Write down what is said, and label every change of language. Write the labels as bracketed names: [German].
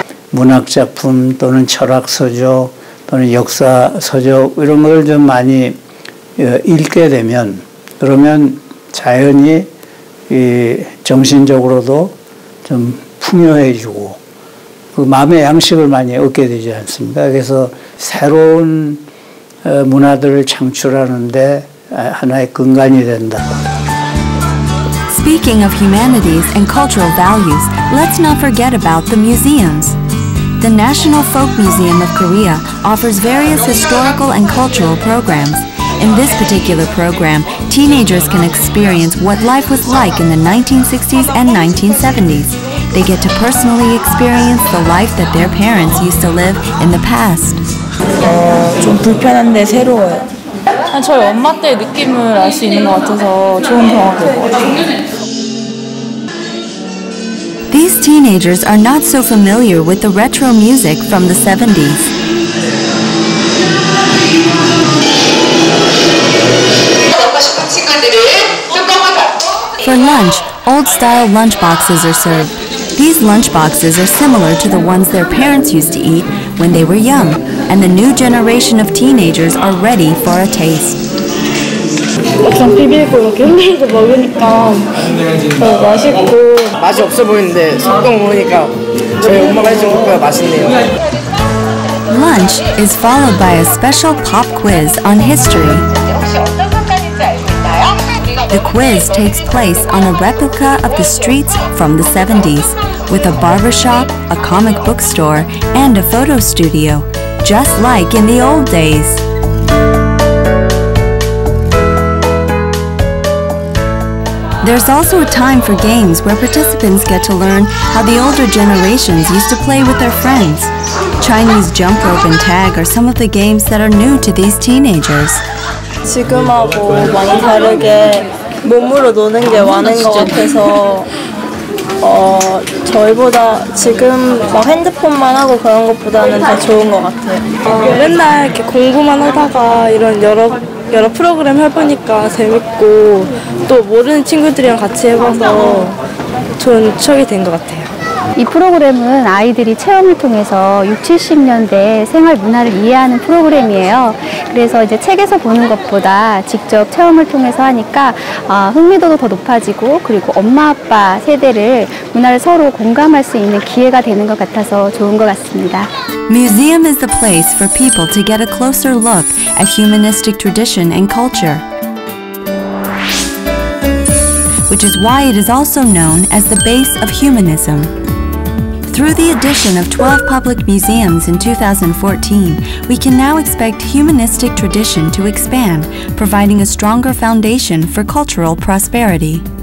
[Korean] 문학 작품 또는 철학 서적 또는 역사 서적 이런 걸 좀 많이 읽게 되면 그러면 자연히 이 정신적으로도 좀 풍요해지고 그 마음의 양식을 많이 얻게 되지 않습니까? 그래서 새로운 문화들을 창출하는 데 하나의 근간이 된다. [English] Speaking of humanities and cultural values, let's not forget about the museums. The National Folk Museum of Korea offers various historical and cultural programs. In this particular program, teenagers can experience what life was like in the 1960s and 1970s. They get to personally experience the life that their parents used to live in the past. [Korean] 좀 불편한데 새로워요. 한 저희 엄마 때 느낌을 알 수 있는 것 같아서 좋은 경험인 것 같아요. [English] These teenagers are not so familiar with the retro music from the 70s. [Korean] 친구들을 [English] For lunch, old-style lunch boxes are served. These lunch boxes are similar to the ones their parents used to eat when they were young, and the new generation of teenagers are ready for a taste. [Korean] 엄청 비비고 이렇게 흔들어서 먹으니까 더 맛있고 맛이 없어 보이는데 속도 모으니까 저희 엄마가 해준 것보다 맛있네요. [English] Lunch is followed by a special pop quiz on history. The quiz takes place on a replica of the streets from the 70s, with a barbershop, a comic book store, and a photo studio, just like in the old days. There's also a time for games where participants get to learn how the older generations used to play with their friends. Chinese jump rope and tag are some of the games that are new to these teenagers. [Korean] 지금하고 많이 다르게 몸으로 노는 게 많은 것 같아서 저희보다 지금 막 핸드폰만 하고 그런 것보다는 더 좋은 것 같아요. 맨날 이렇게 공부만 하다가 이런 여러 프로그램 해보니까 재밌고 또 모르는 친구들이랑 같이 해봐서 좋은 추억이 된 것 같아요. 이 프로그램은 아이들이 체험을 통해서 60, 70년대 생활 문화를 이해하는 프로그램이에요. 그래서 이제 책에서 보는 것보다 직접 체험을 통해서 하니까 흥미도도 더 높아지고 그리고 엄마 아빠 세대를 문화를 서로 공감할 수 있는 기회가 되는 것 같아서 좋은 것 같습니다. [English] Museum is the place for people to get a closer look at humanistic tradition and culture. Which is why it is also known as the base of humanism. Through the addition of 12 public museums in 2014, we can now expect humanistic tradition to expand, providing a stronger foundation for cultural prosperity.